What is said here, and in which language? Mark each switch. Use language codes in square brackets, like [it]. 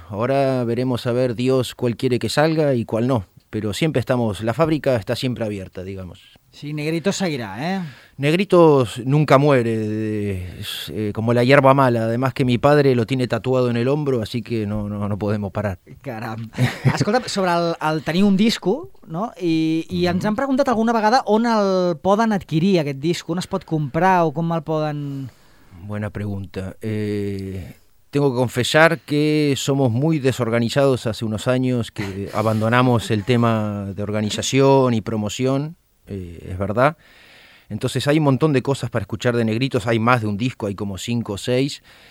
[es] Ahora veremos a ver Dios cuál quiere que salga y cuál no. Pero siempre estamos, la fábrica está siempre abierta, digamos. Sí, Negritos seguirá, ¿eh? Negritos nunca muere, como la hierba mala. Además que mi padre lo tiene tatuado en el hombro, así que no podemos parar. [ca] Caram. Escolta, sobre el tenir un disco, no? I ens han preguntat alguna vegada on el poden adquirir, aquest disco. On es pot comprar o com el poden... [es] Buena pregunta. Tengo que confesar que somos muy desorganizados hace unos años, que abandonamos el tema de organización y promoción, es verdad. Entonces hay un montón de cosas para escuchar de Negritos, hay más de un disco, hay como 5 o 6.